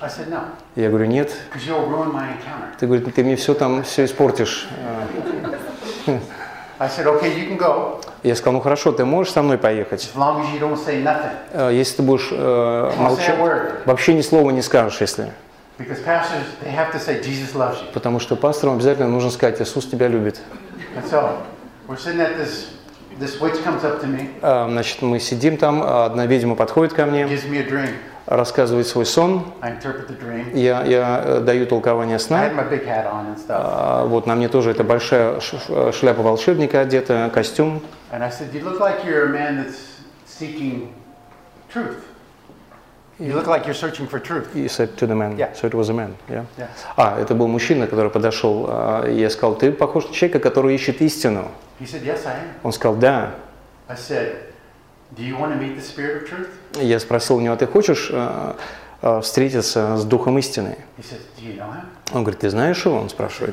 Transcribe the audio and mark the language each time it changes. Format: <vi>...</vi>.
<en>I said, "No."</en> <ru>Я говорю, нет.</ru> <en>Because you'll ruin my encounter.</en> <ru>Ты говоришь, ты мне все там все испортишь.</ru> <en>I said, "Okay, you can go."</en> <ru>Я сказал, ну хорошо, ты можешь со мной поехать.</ru> <en>As long as you don't say nothing.</en> <ru>Если ты будешь молчать, вообще ни слова не скажешь, если.</ru> <en>Because pastors, they have to say, "Jesus loves you."</en> <ru>Потому что пасторам обязательно нужно сказать, Иисус тебя любит.</ru> <en>And so, we're sitting at this. This witch comes up to me.</en> <ru>Значит, мы сидим там, одна ведьма подходит ко мне,</ru> <en>gives me a dream.</en> <ru>Рассказывает свой сон.</ru> <en>I interpret the dream.</en> <ru>Я даю толкование сна.</ru> <en>I had my big hat on and stuff.</en> <ru>Вот на мне тоже эта большая шляпа волшебника одета, костюм.</ru> <en>And I said, you look like you're a man that's seeking truth. You look like you're searching for truth. He said to the man. Yeah. So it was a man. Yeah. Yes.</en> <ru>Это был мужчина, который подошел. Я сказал, ты похож на человека, который ищет истину.</ru> <en>He said, yes, I am.</en> <ru>Он сказал, да.</ru> <en>I said, do you want to meet the spirit of truth?</en> <ru>Я спросил у него, ты хочешь встретиться с духом истины?</ru> <en>He said, do you know him?</en> <ru>Он говорит, ты знаешь его? Он спрашивает.</ru>